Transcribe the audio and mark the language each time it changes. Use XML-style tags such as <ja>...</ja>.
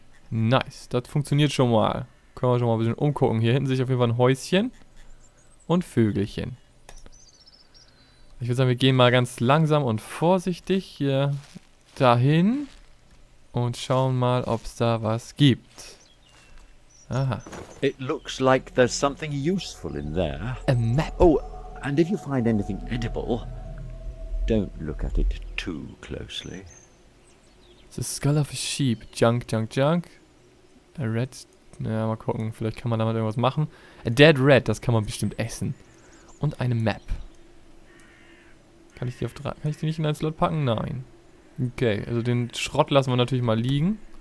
<de>Nice, das funktioniert schon mal. Können wir schon mal ein bisschen umgucken. Hier hinten sehe ich auf jeden Fall ein Häuschen und Vögelchen. Ich würde sagen, wir gehen mal ganz langsam und vorsichtig hier dahin und schauen mal, ob es da was gibt. Aha.</de> <en>It looks like there's something useful in there. A map. Oh, and if you find anything edible, don't look at it too closely. The skull of a sheep. Junk, junk, junk. A red.</en> <de>Naja, mal gucken, vielleicht kann man damit irgendwas machen.</de> <en>A dead red,</en> <de>das kann man bestimmt essen. Und eine Map. Kann ich die auf drei. Kann ich die nicht in einen Slot packen? Nein. Okay, also den Schrott lassen wir natürlich mal liegen.</de>